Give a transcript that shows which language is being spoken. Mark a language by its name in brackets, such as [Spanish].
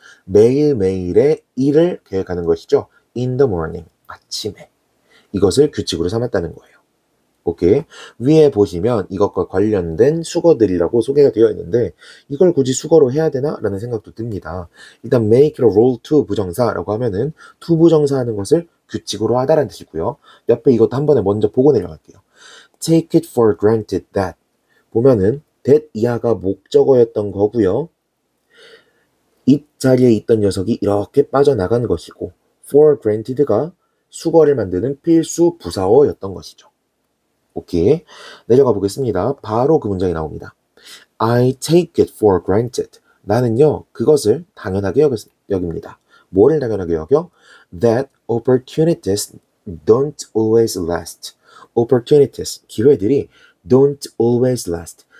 [Korean] 매일매일의 일을 계획하는 것이죠. [English] In the morning. [Korean] 아침에. 이것을 규칙으로 삼았다는 거예요. 오케이. 위에 보시면 이것과 관련된 수거들이라고 소개가 되어 있는데 이걸 굳이 수거로 해야 되나라는 생각도 듭니다. 일단 [English] make a role to [Korean] 부정사라고 하면은 to 부정사하는 것을 규칙으로 하다라는 뜻이고요. 옆에 이것도 한 번에 먼저 보고 내려갈게요. [English] Take it for granted that [Korean] 보면은 [English] that [Korean] 이하가 목적어였던 거고요. 이 자리에 있던 녀석이 이렇게 빠져나간 것이고 [English] for granted [Korean] 가 수거를 만드는 필수 부사어였던 것이죠. 오케이. 내려가 보겠습니다. 바로 그 문장이 나옵니다. [English] I take it for granted. [Korean] 나는요, 그것을 당연하게 여깁니다. 뭐를 당연하게 여겨? [English] That opportunities don't always last. Opportunities, [Korean] 기회들이 [English] don't always last.